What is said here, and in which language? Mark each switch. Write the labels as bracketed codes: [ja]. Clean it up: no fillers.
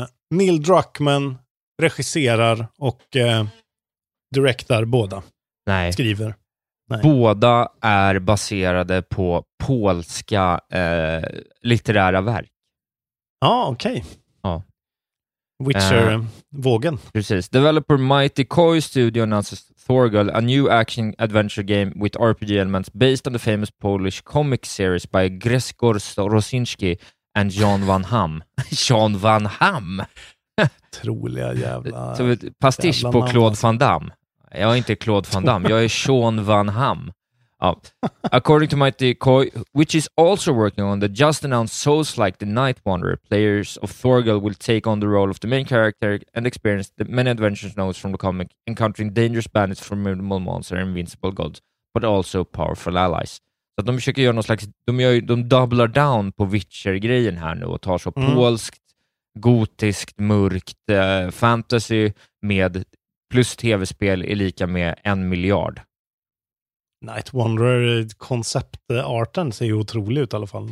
[sv] Neil Druckmann regisserar och direktar båda. Nej. Skriver. Nej. Båda är baserade på polska litterära verk. Ja, ah, okej. Okay. Ja. Witcher-vågen. Precis. [en] Developer Mighty Koi Studio announces Thorgal, a new action adventure game with RPG elements based on the famous Polish comic series by Grzegorz Rosiński and Jan Van Ham. [sv] Jan Van Ham! Troliga jävla... Så, pastisch jävla på Claude Van Damme. Jag är inte Claude Van Damme, jag är Sean Van Ham. Ja. [en] According to Mighty Koi, which is also working on the just announced Souls-like The Night Wanderer, players of Thorgal will take on the role of the main character and experience the many adventures known from the comic, encountering dangerous bandits, formidable monsters and invincible gods, but also powerful allies. [sv] Så att de försöker göra någon slags, de doublar down på Witcher-grejen här nu och tar så polskt, gotiskt, mörkt fantasy med... Plus tv-spel är lika med 1 miljard. Night Wanderer, konceptarten ser ju otrolig ut i alla fall.